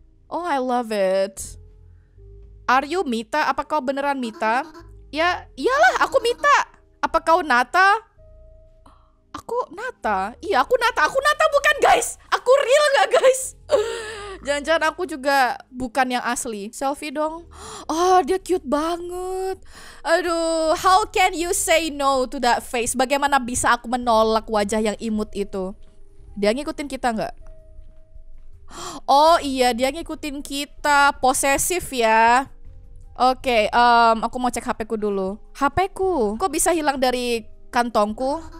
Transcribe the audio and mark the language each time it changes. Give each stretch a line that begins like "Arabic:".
English: Oh, I love it. Are you Mita?
Indonesian: Apa kau beneran Mita? Ya, iyalah, aku Mita. Apa kau Nata? Aku Nata? Iya, aku Nata. Aku Nata bukan, guys. Aku real gak, guys? Jangan-jangan aku juga bukan yang asli. Selfie dong. Oh, dia cute banget.
English: Aduh, how can you say no to that face?
Indonesian: Bagaimana bisa aku menolak wajah yang imut itu? Dia ngikutin kita gak? Oh iya, dia ngikutin kita. Posesif ya. Oke, aku mau cek HP-ku dulu. HP-ku? Kok bisa hilang dari kantongku?